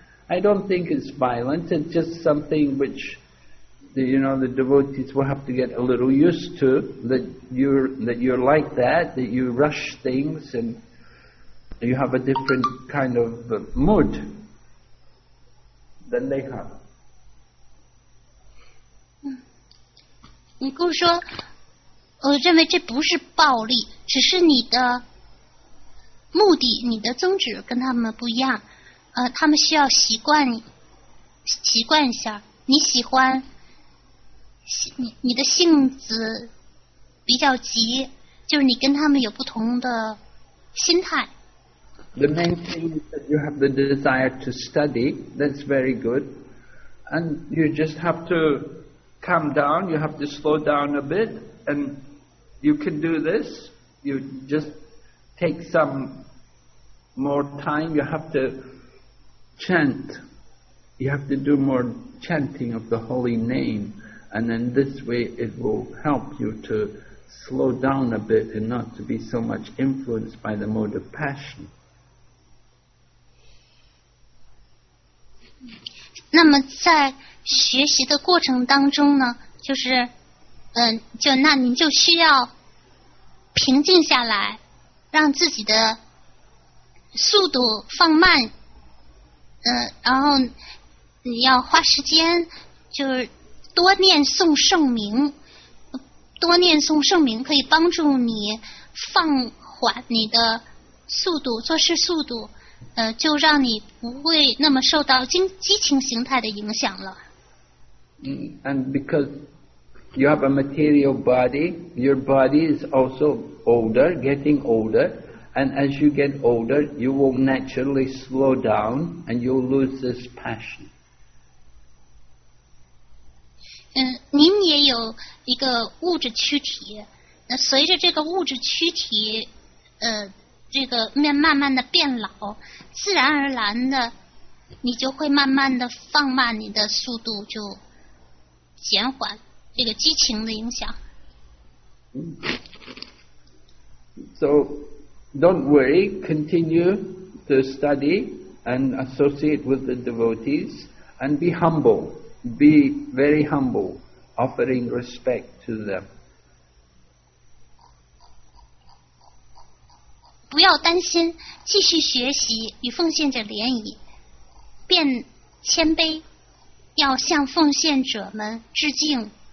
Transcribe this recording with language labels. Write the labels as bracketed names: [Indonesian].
[English] I don't think it's violent. It's just something which, the devotees will have to get a little used to, that you're like that, that you rush things and you have a different kind of mood than they have. [Chinese] 我认为这不是暴力，只是你的目的、你的宗旨跟他们不一样。他们需要习惯一下。你喜欢，你的性子比较急，就是你跟他们有不同的心态。 [English] The main thing is that you have the desire to study. That's very good, and you just have to calm down. You have to slow down a bit and. You can do this. You just take some more time. You have to chant. You have to do more chanting of the holy name. And then this way it will help you to slow down a bit and not to be so much influenced by the mode of passion. [Chinese] 那么在学习的过程当中呢，就是就那您就需要平静下来，让自己的速度放慢，然后要花时间，就是多念诵圣名，多念诵圣名可以帮助你放缓你的速度，做事速度，就让你不会那么受到激情形态的影响了。 [English] And because you have a material body, your body is also older, getting older. And as you get older, you will naturally slow down and you'll lose this passion. [Chinese] 您也有一个物质躯体，那随着这个物质躯体，这个面慢慢的变老，自然而然的，你就会慢慢的放慢你的速度，就减缓这个激情的影响。 [English] So. Don't worry, continue to study and associate with the devotees and be humble, be very humble, offering respect to them. [Chinese] 不要担心，继续学习与奉献者联谊，变谦卑，要向奉献者们致敬。